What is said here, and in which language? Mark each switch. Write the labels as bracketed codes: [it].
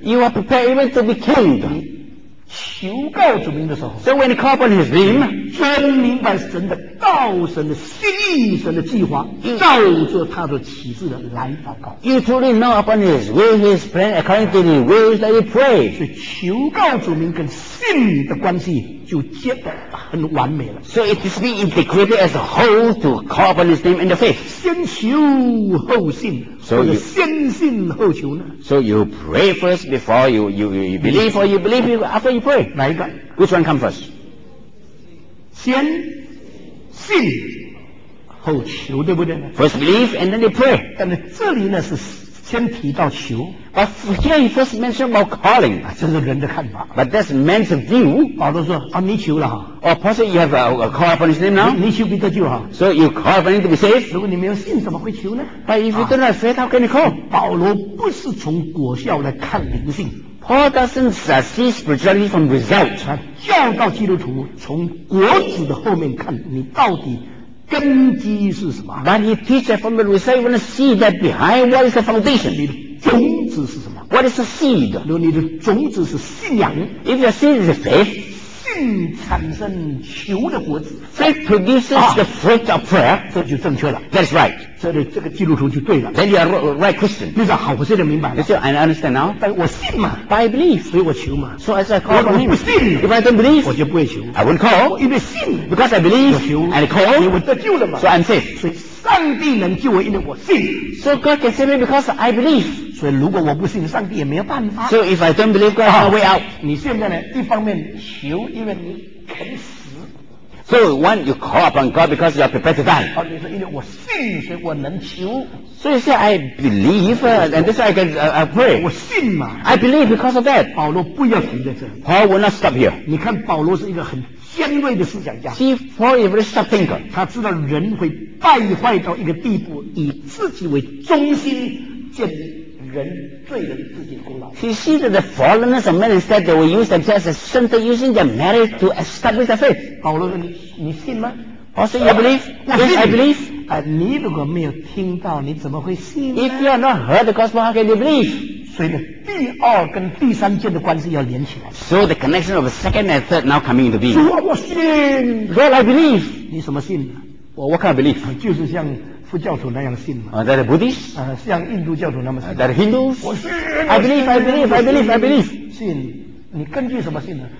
[en] You are prepared even to be killed。 [zh] 求告主名的时候。 [en] So when you call upon His name， [zh] 真明白神的道、神的心意、神的计划，照着他的启示的来祷告。 [en] You truly know upon His will, His plan, according to His will that you pray。 [zh] 所以求告主名跟信的关系就接得很完美了。 [en] So it is being integrated as a whole to call upon His name in the faith。 [zh] 先求后信。 [en] So you [zh] 先信后求呢 [en] ？So you pray first before you believe, or you believe after you pray. [zh] 哪一个 [en] ？Which one come first? [zh] 先信后求，对不对 [en] ？First believe and then you pray. [zh] 但是这里呢是先提到求 [en] ，But here he first mentioned about calling. [zh] 这是人的看法。 [en] But that's man's view. [zh] 保罗说啊，你求了哈。 [en] Or possibly you have a call upon his name now. [zh] 你求彼得救哈。 [en] So you call upon him to be saved. [zh] 如果你没有信，怎么会求呢 [en] ？But if you don't have faith, how can you call? [zh] 保罗不是从果效来看灵性。 [en] Paul doesn't see spirituality from results. [zh] 他教导基督徒从果子的后面看，你到底根基是什么 [en] ？But he teaches from the result. You want to see that behind what is the foundation? [zh] 你的种子是什么 [en] ？What is the seed? [zh] 如果你的种子是信仰 [en] ，If your seed is faith, [zh] 信产生求的果子 [en] ，faith produces the fruit of prayer. [zh] 这就正确了。 [en] That's right. [zh] 这个基督徒就对了。 [en] Then you are right Christian. [zh] 你说好，我现在明白了。 [en] You say I understand now. [zh] 但我信嘛 [en] ，I believe， [zh] 所以我求嘛。 [en] So as I call on him， [zh] 不信。 [en] If I don't believe， [zh] 我就不会求。 [en] I won't call。 [zh] 我因为信 [en] ，because I believe， [zh] 我求 [en] ，and I call， [zh] 我得救了嘛。 [en] So I'm safe。 [zh] 所以上帝能救我，因为我信。 [en] So God can save me because I believe。 [zh] 所以如果我不信，上帝也没有办法。 [en] So if I don't believe, God has no way out。 [zh] 你现在呢，一方面求，因为你肯死。 [en] So one, you call upon God because you are prepared to die. [zh] 因为我信，所以我能求。 [en] So you say I believe, and this I can I pray. [zh] 我信嘛。 [en] I believe because of that. [zh] 保罗不要停在这。 [en] Paul will not stop here. [zh] 你看保罗是一个很尖锐的思想家。 [en] See, Paul is a very sharp thinker. [zh] 他知道人会败坏到一个地步，以自己为中心建立。人罪人自己的功劳。 [en] He sees the fallenness of men instead they will use themselves as center, using their merit to establish their faith. [zh] 保罗说你信吗 [en] ？Paul said, "You believe?" Yes, I believe. [zh] 你如果没有听到，你怎么会信呢 [en] ？If you have not heard the gospel, how can you believe? [zh] 所以呢，第二跟第三件的关系要连起来。 [en] So the connection of the second and third now coming into being. [zh] 主啊，我信。 [en] Lord, I believe. [zh] 你什么信 [en] ？What kind of belief? [zh] 就是像。不教徒那样信吗？ [en] That are Buddhists. [zh] 像印度教徒那么信。 [en] That are Hindus. [zh] 我信。 [en] I believe. [zh] 信，你根据什么信呢